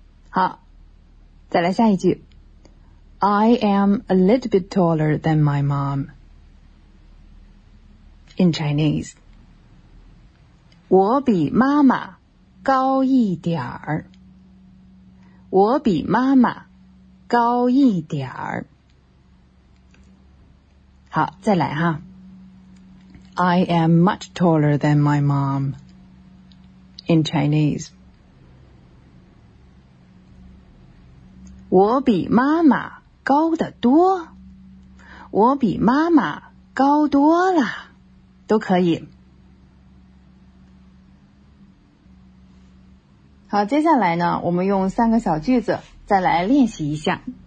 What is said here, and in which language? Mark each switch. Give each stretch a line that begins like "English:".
English: 好，再来下一句。 I am a little bit taller than my mom in Chinese。
Chinese: 我比妈妈高一点儿，我比妈妈高一点儿。好，再来哈。
English: I am much taller than my mom in Chinese。
Chinese: 我比妈妈高得多，我比妈妈高多了，都可以。好，接下来呢我们用三个小句子再来练习一下。